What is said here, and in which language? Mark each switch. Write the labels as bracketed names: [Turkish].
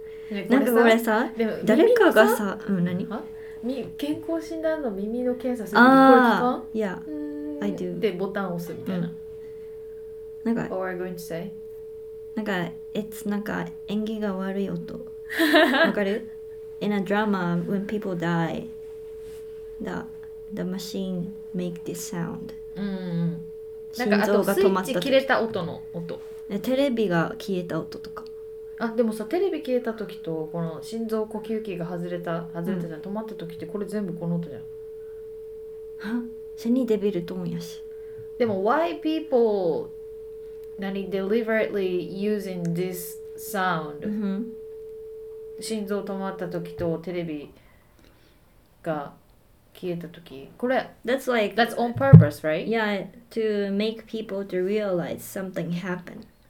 [Japanese] なんかこれさ、誰かがさ、うん、何？健康診断の耳の検査するとこれとか？いや。 [English] I do. [Japanese] でボタンを押すみたいな。なんか。 [English] What are you going to say? [Japanese] なんか [English] it's [Japanese] なんか演技が悪い音。わかる？ [English] In a drama, when people die, the machine make this sound. [Japanese] うんうん。心臓が止まった時。なんかあとスイッチ切れた音の音。テレビが消えた音とか。あ、でもさ、テレビ消えた時とこの心臓呼吸器が外れたじゃん、うん、止まった時ってこれ全部この音じゃん。は？シニデビルトーンやし。でも [English] why people [Japanese] 何 [English] deliberately using this sound、 [Japanese] うん、心臓止まった時とテレビが消えた時、これ [English] that's like that's on purpose right? Yeah, to make people to realize something happened、